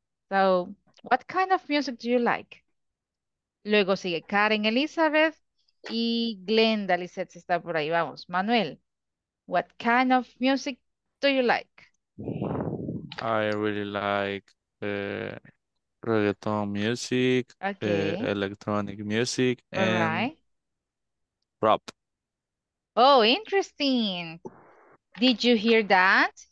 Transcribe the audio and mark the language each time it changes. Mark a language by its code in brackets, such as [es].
[en] So, what kind of music do you like? [es] Luego sigue Karen Elizabeth y Glenda Lizette, si está por ahí, vamos. [en] Manuel, what kind of music do you like? I really like... reggaeton music, okay. Electronic music, and rap. Oh, interesting. Did you hear that?